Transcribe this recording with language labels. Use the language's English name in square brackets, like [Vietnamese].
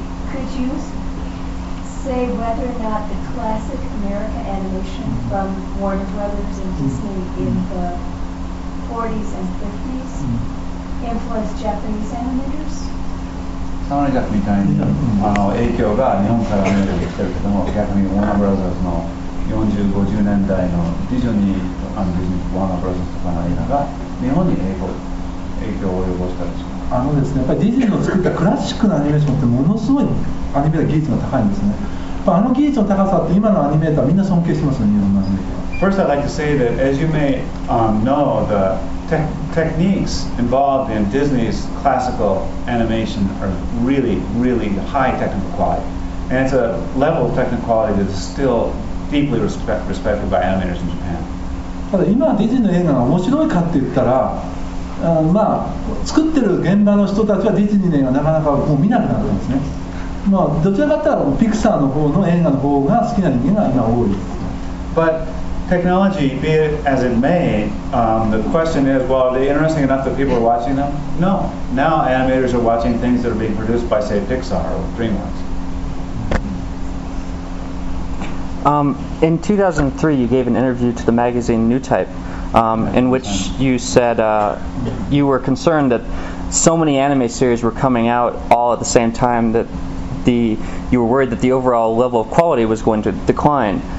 [English] Could you say whether or not the classic American animation from Warner Brothers and Disney in the 40s and 50s influenced Japanese animators? [Japanese] サムライジャックみたいに影響が日本からアメリカに来てるけども、逆にワーナーブラザーズの40、50年代のディズニーとかディズニーとワーナーブラザーズとかの映画が日本に影響を及ぼしたでしょうか。ですね、やっぱりディズニーの作ったクラシックのアニメーションってものすごいアニメーター技術が高いんですね。あの技術の高さって今のアニメーターみんな尊敬してますよね、日本のアニメーター。 [English] First, I'd like to say that, as you may know, the techniques involved in Disney's classical animation are really, really high technical quality. And it's a level of technical quality that is still deeply respected by animators in Japan. [Japanese] ただ今ディズニーの映画が面白いかって言ったら、まあ作ってる現場の人たちはディズニーの映画をなかなかもう見なくなるんですね。まあどちらかというとピクサーの方の映画の方が好きな人間が今多い。 [English] But technology, be it as it may, the question is, well, are they interesting enough that people are watching them? No. Now animators are watching things that are being produced by, say, Pixar or DreamWorks. In 2003, you gave an interview to the magazine New Type, in which you said you were concerned that so many anime series were coming out all at the same time that you were worried that the overall level of quality was going to decline.